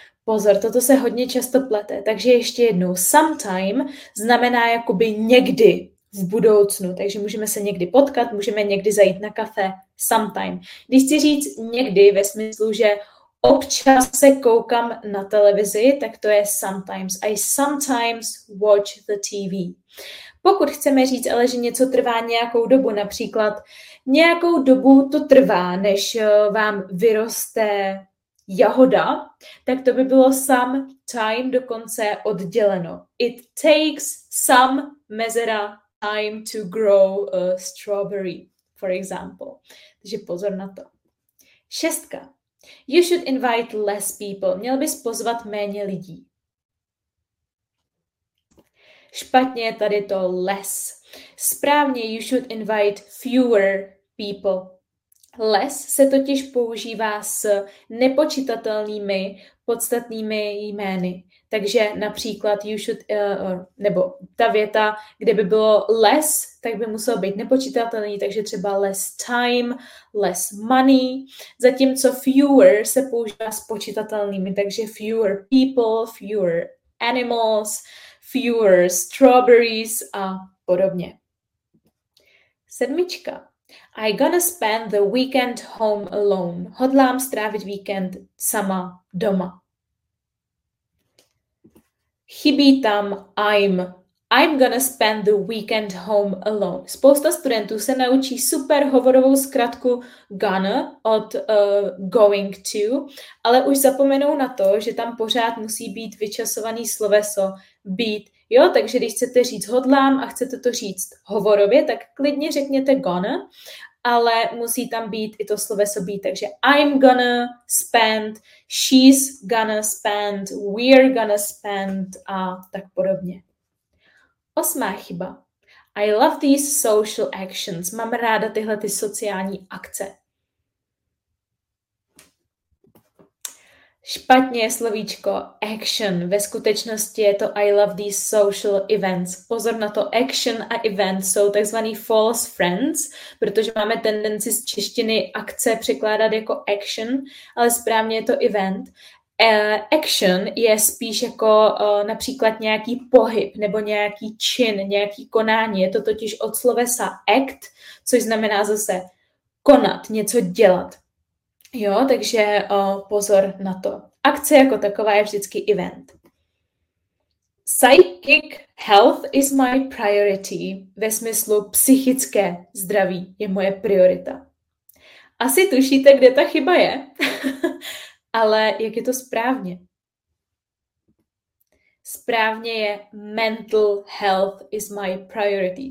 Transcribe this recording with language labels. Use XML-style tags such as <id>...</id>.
<cs>Pozor, toto se hodně často plete, takže ještě jednou. Sometime znamená jakoby někdy v budoucnu, takže můžeme se někdy potkat, můžeme někdy zajít na kafe, sometime. Když chci říct někdy ve smyslu, že občas se koukám na televizi, tak to je sometimes.</cs> <en>I sometimes watch the TV.</en> <cs>Pokud chceme říct ale, že něco trvá nějakou dobu, například nějakou dobu to trvá, než vám vyroste jahoda, tak to by bylo</cs> <en>some time</en> <cs>dokonce odděleno.</cs> <en>It takes some mezera time to grow a strawberry, for example.</en> <cs>Takže pozor na to. Šestka.</cs> <en>You should invite less people.</en> <cs>Měl bys pozvat méně lidí. Špatně je tady to less. Správně</cs> <en>you should invite fewer people.</en> <cs>Less se totiž používá s nepočitatelnými podstatnými jmény. Takže například you should, nebo ta věta, kde by bylo less, tak by muselo být nepočitatelný, takže třeba</cs> <en>less time, less money.</en> <cs>Zatímco fewer se používá s počitatelnými, takže</cs> <en>fewer people, fewer animals, fewer strawberries</en> <cs>a podobně. Sedmička.</cs> <en>I gonna spend the weekend home alone.</en> <cs>Hodlám strávit víkend sama doma. Chybí tam</cs> <en>I'm. I'm gonna spend the weekend home alone.</en> <cs>Spousta studentů se naučí super hovorovou zkratku gonna od going to, ale už zapomenou na to, že tam pořád musí být vyčasovaný sloveso být. Jo, takže když chcete říct hodlám a chcete to říct hovorově, tak klidně řekněte gonna, ale musí tam být i to sloveso být. Takže</cs> <en>I'm gonna spend, she's gonna spend,</en> <cs>we're gonna spend a tak podobně. Osmá chyba.</cs> <en>I love these social actions.</en> <cs>Mám ráda tyhle ty sociální akce. Špatně je slovíčko action. Ve skutečnosti je to</cs> <en>I love these social events.</en> <cs>Pozor na to, action a event jsou takzvaný false friends, protože máme tendenci z češtiny akce překládat jako action, ale správně je to event. Action je spíš jako například nějaký pohyb nebo nějaký čin, nějaký konání. Je to totiž od slovesa act, což znamená zase konat, něco dělat. Jo, takže pozor na to. Akce jako taková je vždycky event.</cs> <en>Psychic health is my priority.</en> <cs>Ve smyslu psychické zdraví je moje priorita. Asi tušíte, kde ta chyba je, ale jak je to správně? Správně je</cs> <en>mental health is my priority.</en>